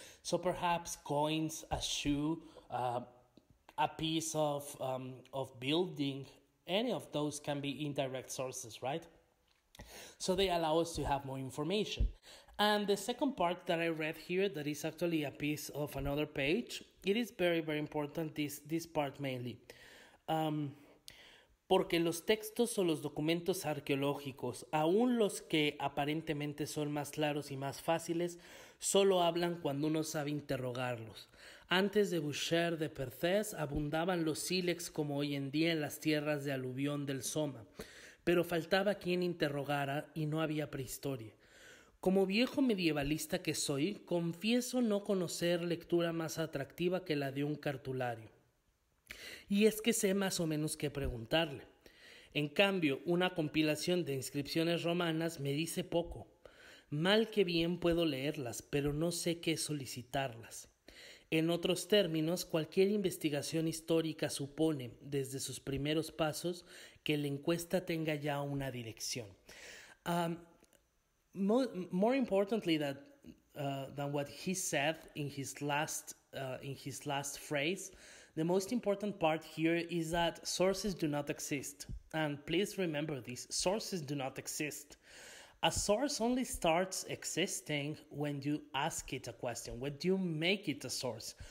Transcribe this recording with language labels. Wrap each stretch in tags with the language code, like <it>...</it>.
<en>So perhaps coins, a shoe, a piece of building, any of those can be indirect sources, right? So they allow us to have more information. And the second part that I read here, that is actually a piece of another page, it is very, very important, this part mainly.</en> <es>Porque los textos o los documentos arqueológicos, aun los que aparentemente son más claros y más fáciles, solo hablan cuando uno sabe interrogarlos. Antes de Boucher de Perthes, abundaban los sílex como hoy en día en las tierras de aluvión del Soma, pero faltaba quien interrogara y no había prehistoria. Como viejo medievalista que soy, confieso no conocer lectura más atractiva que la de un cartulario. Y es que sé más o menos qué preguntarle. En cambio, una compilación de inscripciones romanas me dice poco. Mal que bien puedo leerlas, pero no sé qué solicitarlas. En otros términos, cualquier investigación histórica supone, desde sus primeros pasos, que la encuesta tenga ya una dirección.</es> <en>More importantly than what he said in his last phrase, the most important part here is that sources do not exist. And please remember this, sources do not exist. A source only starts existing when you ask it a question, when you make it a source.</en>